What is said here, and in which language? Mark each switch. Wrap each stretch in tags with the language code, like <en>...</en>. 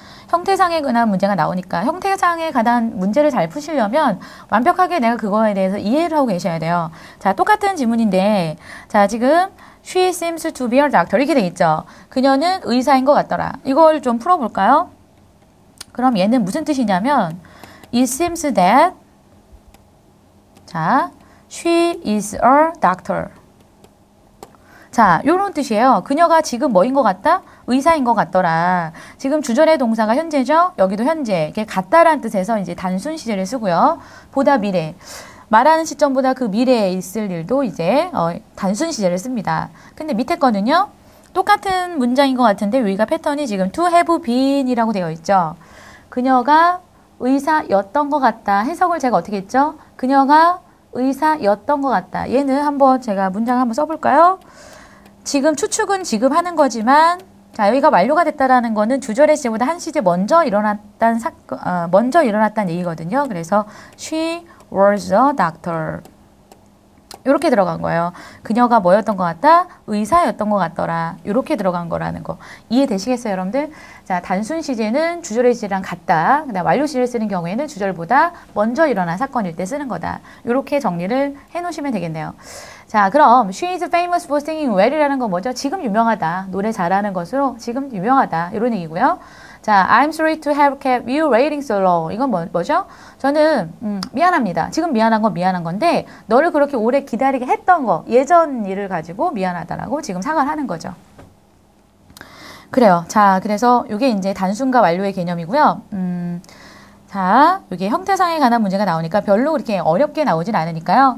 <ko>형태상에 관한 문제가 나오니까 형태상에 관한 문제를 잘 푸시려면 완벽하게 내가 그거에 대해서 이해를 하고 계셔야 돼요. 자, 똑같은 지문인데 자, 지금</ko> <en>She seems to be a doctor</en> <ko>이렇게 돼 있죠. 그녀는 의사인 것 같더라. 이걸 좀 풀어볼까요? 그럼 얘는 무슨 뜻이냐면</ko> <en>It seems that 자, She is a doctor.</en> <ko>자, 요런 뜻이에요. 그녀가 지금 뭐인 것 같다? 의사인 것 같더라. 지금 주절의 동사가 현재죠? 여기도 현재. 이게 같다라는 뜻에서 이제 단순 시제를 쓰고요. 보다 미래. 말하는 시점보다 그 미래에 있을 일도 이제 단순 시제를 씁니다. 근데 밑에 거는요. 똑같은 문장인 것 같은데 여기가 패턴이 지금 to have been 이라고 되어 있죠. 그녀가 의사였던 것 같다. 해석을 제가 어떻게 했죠? 그녀가 의사였던 것 같다. 얘는 한번 제가 문장 한번 써볼까요? 지금 추측은 지금 하는 거지만 자, 여기가 완료가 됐다라는 거는 주절의 시제보다 한 시제 먼저 일어났다는 먼저 일어났다는 얘기거든요. 그래서</ko> <en>she was a doctor</en> <ko>이렇게 들어간 거예요. 그녀가 뭐였던 것 같다? 의사였던 것 같더라. 이렇게 들어간 거라는 거. 이해되시겠어요, 여러분들? 자, 단순 시제는 주절의 시제랑 같다. 그다음 완료 시제를 쓰는 경우에는 주절보다 먼저 일어난 사건일 때 쓰는 거다. 이렇게 정리를 해놓으시면 되겠네요. 자, 그럼</ko> <en>She is famous for singing well</en> <ko>이라는 건 뭐죠? 지금 유명하다. 노래 잘하는 것으로 지금 유명하다. 이런 얘기고요.</ko> <en>자, I'm sorry to have kept you waiting so long.</en> <ko>이건 뭐죠? 저는 미안합니다. 지금 미안한 건 미안한 건데 너를 그렇게 오래 기다리게 했던 거 예전 일을 가지고 미안하다라고 지금 사과를 하는 거죠. 그래요. 자, 그래서 이게 이제 단순과 완료의 개념이고요. 자, 이게 형태상에 관한 문제가 나오니까 별로 그렇게 어렵게 나오진 않으니까요.</ko>